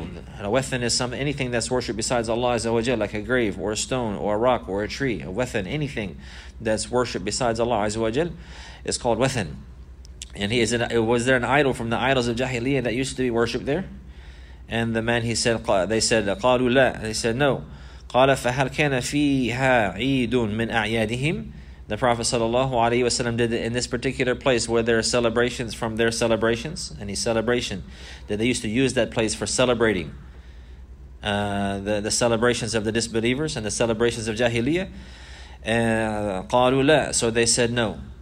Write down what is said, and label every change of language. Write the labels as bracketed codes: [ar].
[en] And a wathan is anything that's worshipped besides Allah Azza wa Jalla, like a grave or a stone or a rock or a tree. A wathan, anything that's worshipped besides Allah Azza wa Jalla, is called wathan. And he said, was there an idol from the idols of Jahiliyyah that used to be worshipped there? And the man, he said, they said, [ar] قالوا لا. [en] They said, no. [ar] قال فهل كان فيها عيد من أعيادهم. [en] The Prophet sallallahu alaihi wasallam, did it in this particular place where there are celebrations from their celebrations, any celebration that they used to use that place for celebrating the celebrations of the disbelievers and the celebrations of Jahiliyyah. [ar] قالوا لا. [en] So they said no.